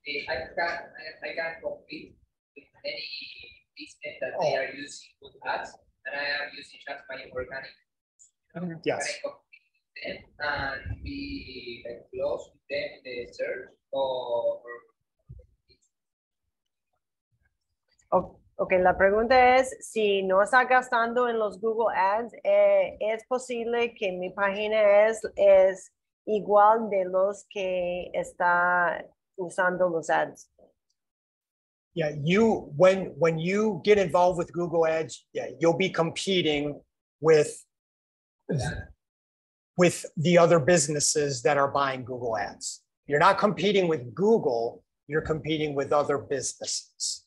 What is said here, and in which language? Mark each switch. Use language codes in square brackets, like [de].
[en] I can't compete with any business that they are using good ads, and I am using just my organic. Yes. Can I compete with them and be like close with them in the search or? [es] Ok, la pregunta es, si no estás gastando en los Google Ads, ¿es posible que mi página es igual de los que está usando los ads? [en] Yeah, you, when you get involved with Google Ads, yeah, you'll be competing with the other businesses that are buying Google Ads. You're not competing with Google. You're competing with other businesses.